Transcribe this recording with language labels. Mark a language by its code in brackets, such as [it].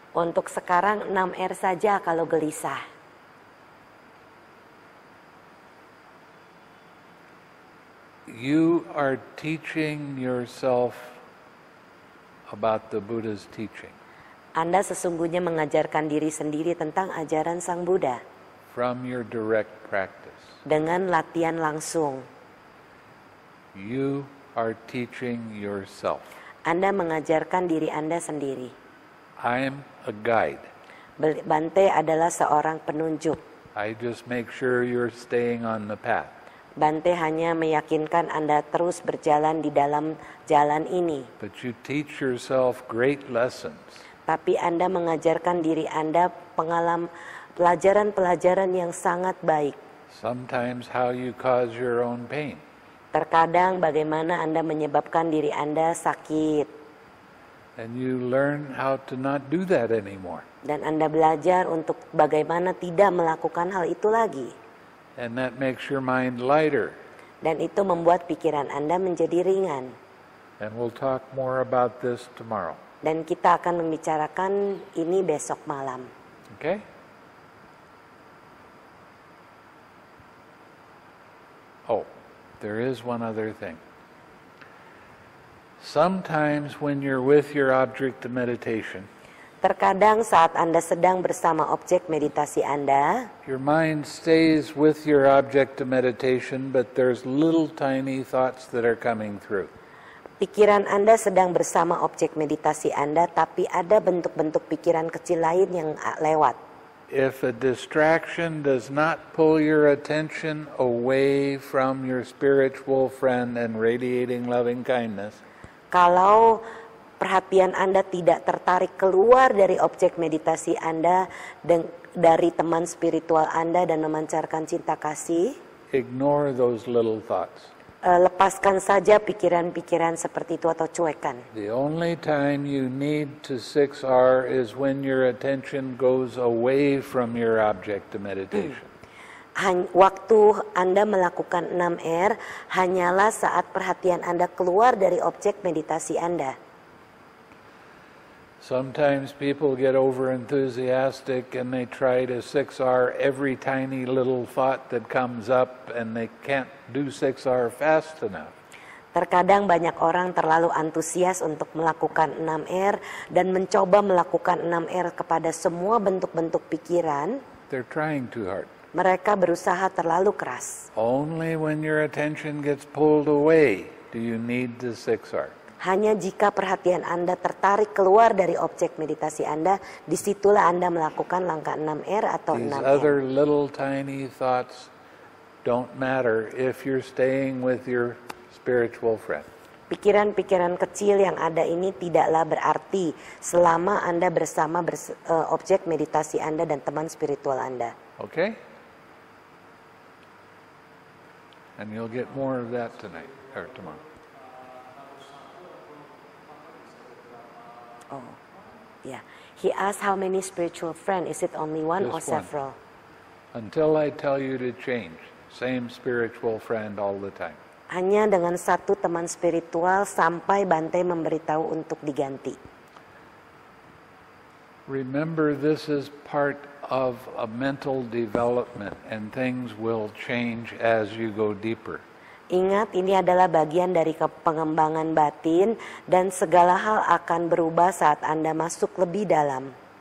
[id] Untuk sekarang 6R saja kalau gelisah. [en] You are teaching yourself about the Buddha's teaching. [id] Anda sesungguhnya mengajarkan diri sendiri tentang ajaran Sang Buddha. [en] From your direct practice. [id] Dengan latihan langsung. [en] You are teaching yourself. [id] Anda mengajarkan diri Anda sendiri. [en] I am a guide. [id] Bhante adalah seorang penunjuk. [en] I just make sure you're staying on the path. [id] Bhante hanya meyakinkan Anda terus berjalan di dalam jalan ini. [en] But you teach yourself great lessons. [id] Tapi Anda mengajarkan diri Anda pelajaran-pelajaran yang sangat baik. [en] Sometimes how you cause your own pain. [id] Terkadang bagaimana Anda menyebabkan diri Anda sakit. [en] And you learn how to not do that anymore. [id] Dan Anda belajar untuk bagaimana tidak melakukan hal itu lagi. [en] And that makes your mind lighter. [id] Dan itu membuat pikiran Anda menjadi ringan. [en] And we'll talk more about this tomorrow. [id] Dan kita akan membicarakan ini besok malam. [en] Okay? Oh, there is one other thing. Sometimes when you're with your object of meditation, [id] terkadang saat Anda sedang bersama objek meditasi Anda, [en] your mind stays with your object of meditation, but there's little tiny thoughts that are coming through. [id] Pikiran Anda sedang bersama objek meditasi Anda, tapi ada bentuk-bentuk pikiran kecil lain yang lewat. [en] If a distraction does not pull your attention away from your spiritual friend and radiating loving kindness, [id] kalau perhatian Anda tidak tertarik keluar dari objek meditasi Anda dari teman spiritual Anda dan memancarkan cinta kasih, [en] ignore those little thoughts. [id] Lepaskan saja pikiran-pikiran seperti itu atau cuekkan. [en] The only time you need to 6R is when your attention goes away from your object of meditation. [id] Waktu Anda melakukan 6R hanyalah saat perhatian Anda keluar dari objek meditasi Anda. [en] Sometimes people get over enthusiastic and they try to 6R every tiny little thought that comes up and they can't do 6R fast enough. [id] Terkadang banyak orang terlalu antusias untuk melakukan 6R dan mencoba melakukan 6R kepada semua bentuk-bentuk pikiran. [en] They're trying too hard. [id] Mereka berusaha terlalu keras. [en] Only when your attention gets pulled away do you need the 6R. [id] Hanya jika perhatian Anda tertarik keluar dari objek meditasi Anda, disitulah Anda melakukan langkah 6R atau 6R. [en] These other little tiny thoughts don't matter if you're staying with your spiritual friend. [id] Pikiran-pikiran kecil yang ada ini tidaklah berarti selama Anda bersama objek meditasi Anda dan teman spiritual Anda. [en] Okay? And you'll get more of that tonight, or tomorrow. Oh, yeah. He asked how many spiritual friends. Is it only one just or several? One. Until I tell you to change. Same spiritual friend all the time. [id] Hanya dengan satu teman spiritual sampai Bhante memberitahu untuk diganti. [en] Remember, this is part of a mental development and things will change as you go deeper. [id] Ingat, ini adalah bagian dari pengembangan batin dan segala hal akan berubah saat Anda masuk lebih dalam.